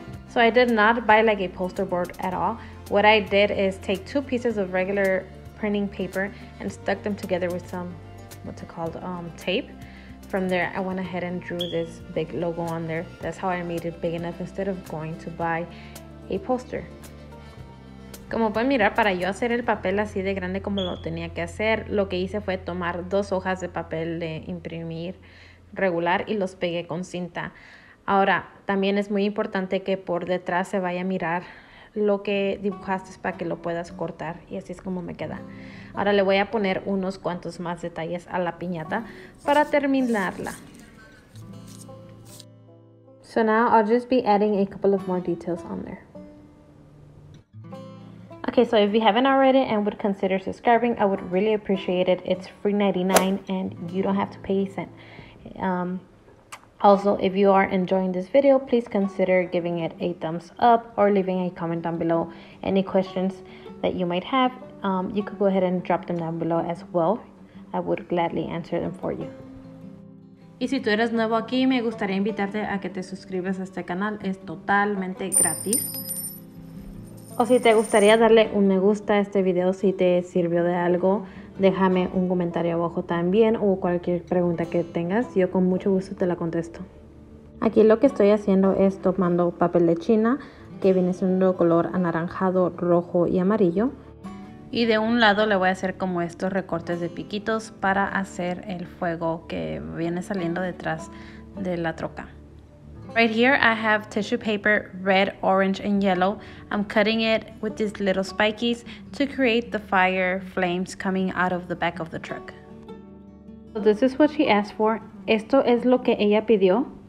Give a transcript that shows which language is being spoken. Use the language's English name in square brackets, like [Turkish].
[English] So I did not buy like a poster board at all. What I did is take two pieces of regular printing paper and stuck them together with some, tape. From there, I went ahead and drew this big logo on there. That's how I made it big enough instead of going to buy a poster. [Spanish] Como pueden mirar, para yo hacer el papel así de grande como lo tenía que hacer, lo que hice fue tomar dos hojas de papel de imprimir regular y los pegué con cinta. Ahora, también es muy importante que por detrás se vaya a mirar lo que dibujaste para que lo puedas cortar, y así es como me queda. Ahora le voy a poner unos cuantos más detalles a la piñata para terminarla. [English] So now I'll just be adding a couple of more details on there. Okay, so if you haven't already and would consider subscribing, I would really appreciate it. It's free 99 and you don't have to pay a cent. Also, if you are enjoying this video, please consider giving it a thumbs up or leaving a comment down below. Any questions that you might have, you could go ahead and drop them down below as well. I would gladly answer them for you. [Spanish] Y si tú eres nuevo aquí, me gustaría invitarte a que te suscribas a este canal. Es totalmente gratis. O si te gustaría darle un me gusta a este video, si te sirvió de algo, déjame un comentario abajo también o cualquier pregunta que tengas. Yo con mucho gusto te la contesto. Aquí lo que estoy haciendo es tomando papel de China, que viene siendo color anaranjado, rojo y amarillo. Y de un lado le voy a hacer como estos recortes de piquitos para hacer el fuego que viene saliendo detrás de la troca. [English] Right here I have tissue paper, red, orange, and yellow. I'm cutting it with these little spikies to create the fire flames coming out of the back of the truck. So this is what she asked for. [Spanish] Esto es lo que ella pidió.